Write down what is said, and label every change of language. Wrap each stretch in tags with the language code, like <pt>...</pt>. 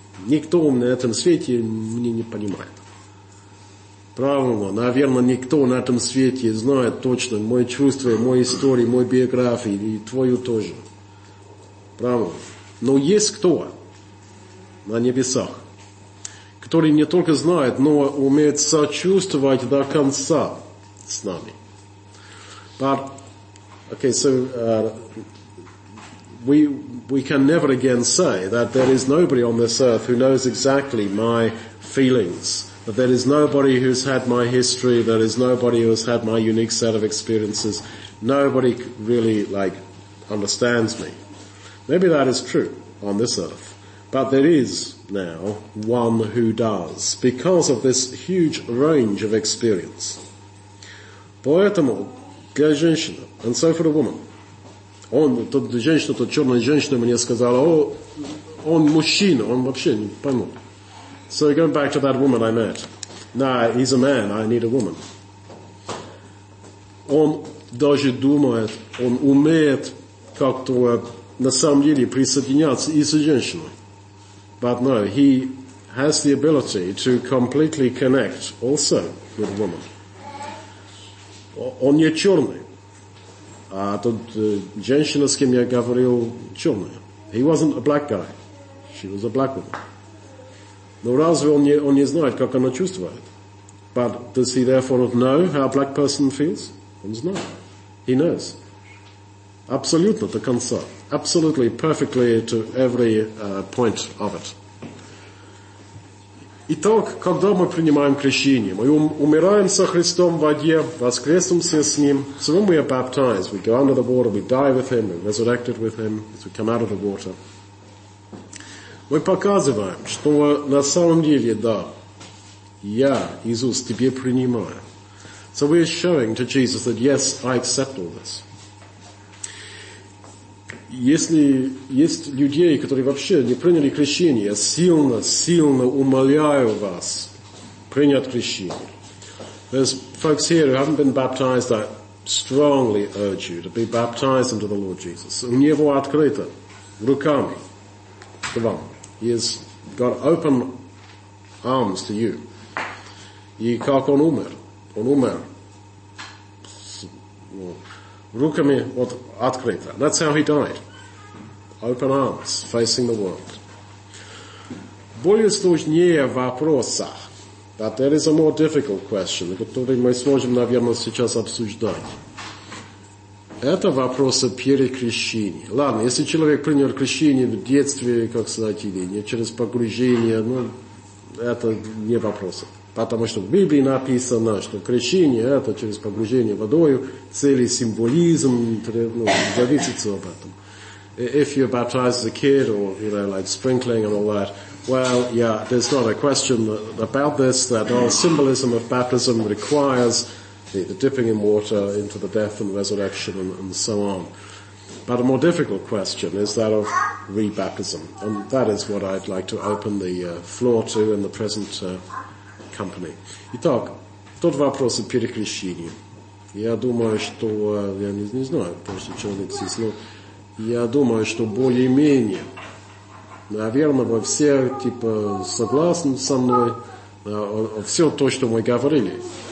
<ru>Никто на этом свете меня не понимает. Правильно, наверное, никто на этом свете знает точно мои чувства, мои истории, мою биографию и твою тоже. Правильно. Но есть кто на небесах, который не только знает, но умеет сочувствовать до конца с нами.</ru> <en>But, okay, so, We can never again say that there is nobody on this earth who knows exactly my feelings, that there is nobody who's had my history, there is nobody who's had my unique set of experiences. Nobody really, understands me. Maybe that is true on this earth. But there is now one who does, because of this huge range of experience.</en> <ru>Поэтому, для женщины,</ru> <en>and so for the woman,</en> <ru>он, тот женщина, тот черная женщина мне сказала, о, он мужчина, он вообще не понял.</ru> <en>So going back to that woman I met. Nah, he's a man, I need a woman.</en> <ru>Он даже думает, он умеет как-то на самом деле присоединяться и с женщиной.</ru> <en>But no, he has the ability to completely connect also with a woman.</en> <ru>Он не черный. А тот женщина, с кем я говорил, черная.</ru> <en>He wasn't a black guy. She was a black woman.</en> <ru>Но разве он не знает, как она чувствует?</ru> <en>But does he therefore know how a black person feels?</en> <ru>Он знает.</ru> <en>He knows.</en> <ru>Абсолютно до конца.</ru> <en>Absolutely, perfectly to every point of it.</en> <ru>Итак, когда мы принимаем крещение, мы умираем со Христом в воде, воскреснемся с Ним.</ru> <en>So when we are baptized, we go under the water, we die with Him, we're resurrected with Him, as we come out of the water.</en> <ru>Мы показываем, что на самом деле, да, я, Иисус, тебе принимаю.</ru> <en>So we are showing to Jesus that, yes, I accept all this.</en> <ru>Если есть людей, которые вообще не приняли крещение, я сильно умоляю вас принять крещение.</ru> <en>There's folks here who haven't been baptized, I strongly urge you to be baptized into the Lord Jesus.</en> <ru>У него открыто руками к вам.</ru> <en>He has got open arms to you.</en> <ru>И как он умер руками вот открыто.</ru> <en>That's how he died. Open arms, facing the world.</en> <ru>Более сложнее в вопросах,</ru> <en>but there is a more difficult question,</en> <ru>который мы сможем, наверное, сейчас обсуждать. Это вопросы перед крещением. Ладно, если человек принял крещение в детстве, как сказать, или не через погружение, ну, это не вопросы. Потому что в Библии написано, что крещение – это через погружение водою, целый символизм, ну, зависит об этом.</ru> <en>If you're baptized as a kid or, you know, like sprinkling and all that, well, yeah, there's not a question about this, that all symbolism of baptism requires the dipping in water into the death and resurrection and so on. But a more difficult question is that of re-baptism. And that is what I'd like to open the floor to in the present company.</en> <ru>Итак, тот вопрос о перекрещении. Я думаю, что, я не знаю, просто человек здесь, но... Я думаю, что более-менее, наверное, вы все типа согласны со мной, все то, что мы говорили.</ru>